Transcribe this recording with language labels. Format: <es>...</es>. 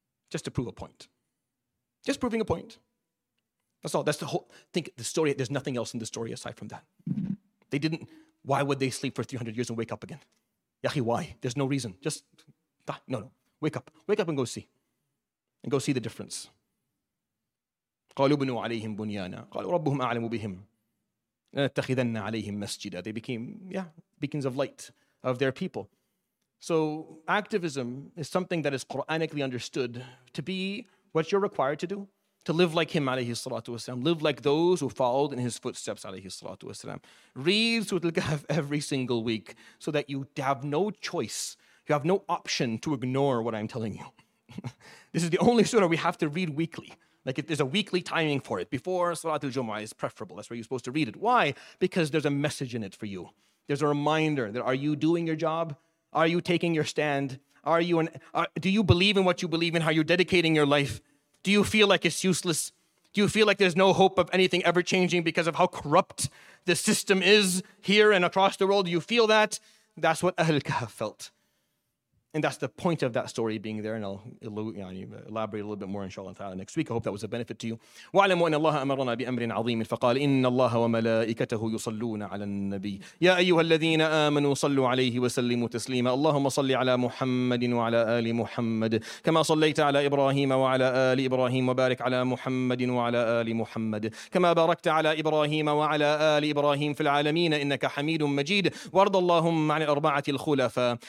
<en>Just to prove a point. Just proving a point. That's all. That's the whole thing. The story, there's nothing else in the story aside from that. They didn't. Why would they sleep for 300 years and wake up again? Yahi, why? There's no reason. Just die. No. Wake up. Wake up and go see. And go see the difference.</en> <ar>قَالُوا بِنُوا عَلَيْهِمْ بُنْيَانًا قَالُوا رَبُّهُمْ أَعْلَمُ بِهِمْ لَنَتَّخِذَنَّ عَلَيْهِمْ مَسْجِدًا</ar> <en>They became, beacons of light of their people. So activism is something that is Quranically understood to be what you're required to do, to live like him, alayhi salatu wasalam, live like those who followed in his footsteps, alayhi salatu wasalam. Read Surat Al-Kahf every single week so that you have no choice, you have no option to ignore what I'm telling you. This is the only surah we have to read weekly. Like, there's a weekly timing for it. Before Salatul Jumu'ah is preferable. That's where you're supposed to read it. Why? Because there's a message in it for you. There's a reminder that are you doing your job? Are you taking your stand? Do you believe in what you believe in? Are you dedicating your life? Do you feel like it's useless? Do you feel like there's no hope of anything ever changing because of how corrupt the system is here and across the world? Do you feel that? That's what Ahl Kahf felt. And that's the point of that story being there. And I'll elaborate a little bit more, inshallah ta'ala, next week. I hope that was a benefit to you.</en> <ar>وَعْلَمُوا أَنَّ اللَّهَ أَمَرَنَا بِأَمْرٍ عَظِيمٍ فَقَالَ إِنَّ اللَّهَ وَمَلَائِكَتَهُ يُصَلُّونَ عَلَى النَّبِيِّ يَا أَيُّهَا الَّذِينَ آمَنُوا صَلُّوا عَلَيْهِ وَسَلِّمُوا تَسْلِيمًا اللَّهُمَّ صَلِّ عَلَى مُحَمَّدٍ وَعَلَى آلِ مُحَمَّدٍ كَمَا صَلَّيْتَ عَلَى إِبْرَاهِيمَ وَعَلَى آلِ إِبْرَاهِيمَ وَبَارِكْ عَلَى مُحَمَّدٍ وَعَلَى آلِ مُحَمَّدٍ كَمَا بَارَكْتَ عَلَى إِبْرَاهِيمَ وَعَلَى آلِ إِبْرَاهِيمَ فِي الْعَالَمِينَ إِنَّكَ حَمِيدٌ مَجِيدٌ وَارْضَ اللَّهُمَّ عَنِ الْأَرْبَعَةِ الْخُلَفَاءِ</ar>